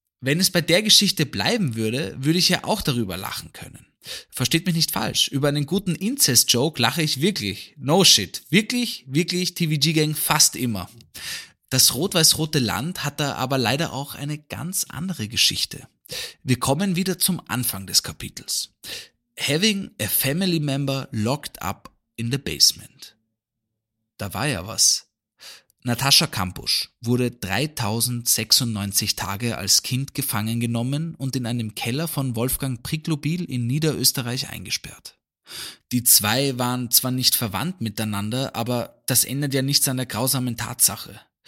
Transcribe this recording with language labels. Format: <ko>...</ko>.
<de>Wenn es bei der Geschichte bleiben würde, würde ich ja auch darüber lachen können. Versteht mich nicht falsch, über einen guten Inzest-Joke lache ich wirklich.</de> <en>No shit.</en> <de>Wirklich, wirklich TVG-Gang fast immer. Das rot-weiß-rote Land hat da aber leider auch eine ganz andere Geschichte. Wir kommen wieder zum Anfang des Kapitels.</de> <en>Having a family member locked up in the basement.</en> <de>Da war ja was. Natascha Kampusch wurde 3096 Tage als Kind gefangen genommen und in einem Keller von Wolfgang Priklobil in Niederösterreich eingesperrt. Die zwei waren zwar nicht verwandt miteinander, aber das ändert ja nichts an der grausamen Tatsache.</de>